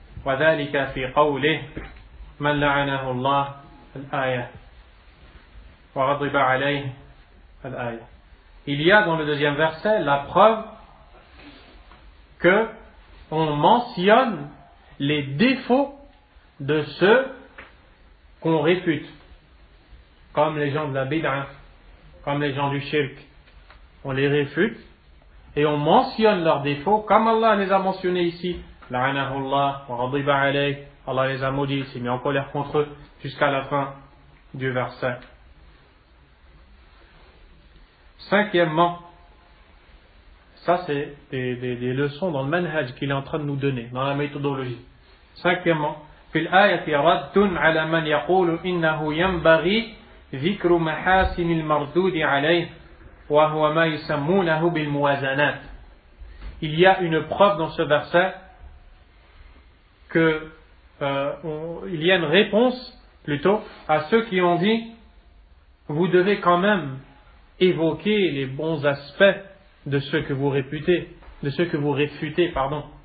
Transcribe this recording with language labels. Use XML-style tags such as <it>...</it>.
<ar>وذلك في قوله من لعنه الله الآية وغضب عليه الآية.</ar> <fr>Il y a dans le deuxième verset la preuve que on mentionne les défauts de ceux qu'on réfute, comme les gens de la bid'a, comme les gens du shirk. On les réfute et on mentionne leurs défauts, comme Allah les a mentionnés ici.</fr> <ar>La'anahu Allah, wa ghadiba alayh.</ar> <fr>Allah les a maudits, s'est mis en colère contre eux jusqu'à la fin. du verset. Cinquièmement, ça c'est des leçons dans le manhaj qu'il est en train de nous donner, dans la méthodologie. Cinquièmement,</fr> <ar>في الآية رد على من يقول إنه ينبغي ذكر محاسن المردود عليه وهو ما يسمونه بالموازنات.</ar> <fr>Il y a une preuve dans ce verset que il y a une réponse plutôt à ceux qui ont dit vous devez quand même évoquer les bons aspects de ceux que vous réputez, de ceux que vous réfutez, pardon.</fr>